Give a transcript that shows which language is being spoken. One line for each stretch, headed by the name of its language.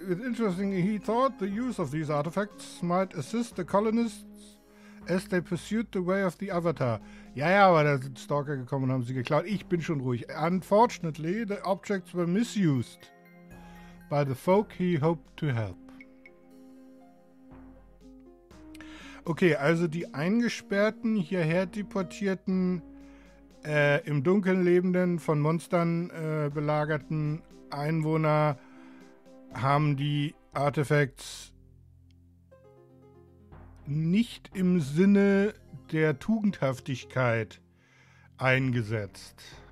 English: It's interesting, he thought the use of these artifacts might assist the colonists As they pursued the way of the Avatar.
German: Ja, ja, aber da sind Stalker gekommen und haben sie geklaut. Ich bin schon ruhig.
English: Unfortunately, the objects were misused by the folk he hoped to help.
German: Okay, also die Eingesperrten, hierher deportierten, im Dunkeln lebenden, von Monstern belagerten Einwohner haben die Artifacts nicht im Sinne der Tugendhaftigkeit eingesetzt.